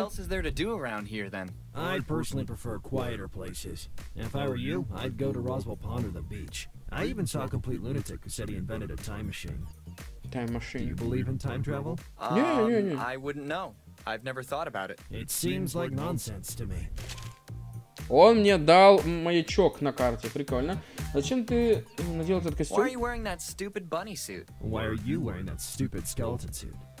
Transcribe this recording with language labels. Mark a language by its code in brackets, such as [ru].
[en] What else is there to do around here then? I'd personally prefer quieter places. If I were you, I'd go to Roswell Pond or the beach. I even saw a complete lunatic who said he invented a time machine. Time machine. Do you believe in time travel? [ru] Не. [en] I wouldn't know. I've never thought about it. It seems like nonsense to me. [ru] Он мне дал маячок на карте. Прикольно. Зачем ты надел этот костюм? [en] Why are you wearing that stupid bunny suit? Why are you wearing that stupid skeleton suit?